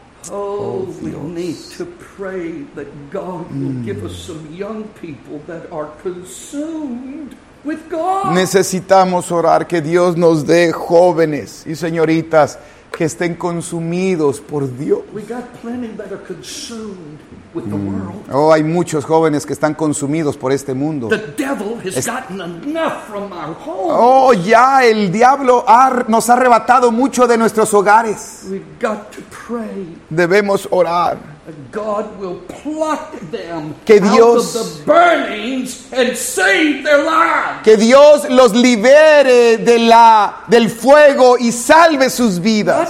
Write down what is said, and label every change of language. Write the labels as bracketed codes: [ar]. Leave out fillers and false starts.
[en] Oh, we need to pray that God will give us some young people that are consumed with God. [es] Necesitamos orar que Dios nos dé jóvenes y señoritas que estén consumidos por Dios. [en] We got plenty that are consumed with the world. [es] Oh, hay muchos jóvenes que están consumidos por este mundo. [en] The devil has gotten enough from our homes. [es] Oh, ya el diablo nos ha arrebatado mucho de nuestros hogares. [en] We've got to pray. [es] Debemos orar. [en] God will pluck them out of the burnings and save their lives. [es] Que Dios los libere del fuego y salve sus vidas.